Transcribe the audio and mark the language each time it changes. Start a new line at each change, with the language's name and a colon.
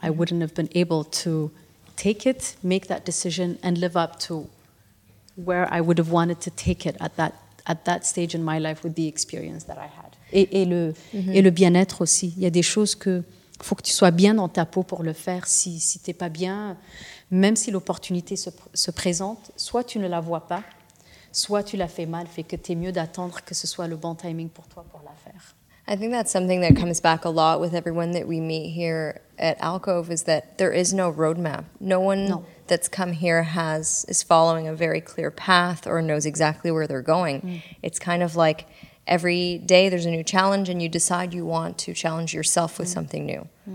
English: I wouldn't have been able to take it, make that decision, and live up to where I would have wanted to take it at that stage in my life with the experience that I had.
French: Et le bien-être aussi. Il y a des choses que faut que tu sois bien dans ta peau pour le faire. Si t'es pas bien, même si l'opportunité se présente, soit tu ne la vois pas, soit tu l'as fait mal, fait que t'es mieux d'attendre que ce soit le bon timing pour toi pour la faire.
English: I think that's something that comes back a lot with everyone that we meet here at Alcove is that there is no roadmap. No one that's come here is following a very clear path or knows exactly where they're going. It's kind of like every day there's a new challenge and you decide you want to challenge yourself with something new.